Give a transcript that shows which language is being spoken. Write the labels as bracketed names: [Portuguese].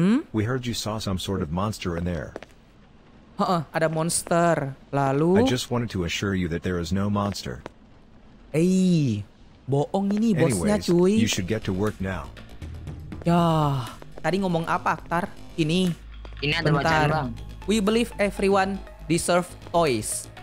[English] We heard you saw some sort of monster in there. [Indonesian] Ada monster. Lalu [English] I just wanted to assure you that there is no monster. [Indonesian] Ey, bohong ini bosnya cuy. [English] Anyways, you should get to work now. [Indonesian] Ya, tadi ngomong apa, Aktar? Ini ada bacaan, Bang. [English] We believe everyone deserve toys.